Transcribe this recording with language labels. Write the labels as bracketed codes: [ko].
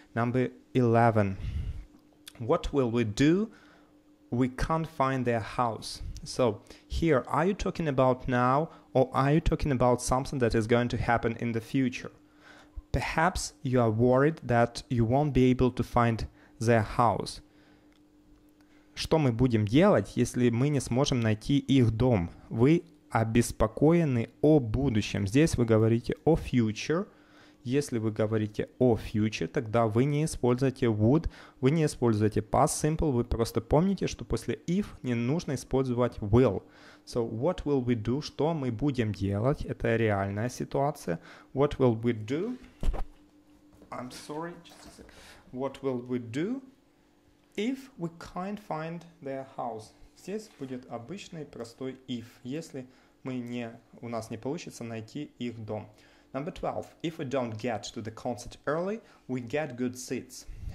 [en] Number 11, what will we do? We can't find their house. So here, are you talking about now or are you talking about something that is going to happen in the future? Perhaps you are worried that you won't be able to find their house. [ru] Что мы будем делать, если мы не сможем найти их дом? Вы обеспокоены о будущем. Здесь вы говорите о future. Если вы говорите о future, тогда вы не используете would, вы не используете past simple, вы просто помните, что после if не нужно использовать will. [en] So what will we do? [ru] Что мы будем делать? Это реальная ситуация. [en] What will we do? I'm sorry, just a sec. What will we do if we can't find their house? [ru] Здесь будет обычный простой if, если у нас не получится найти их дом. [en] Number 12. If we don't get to the concert early, we get good seats.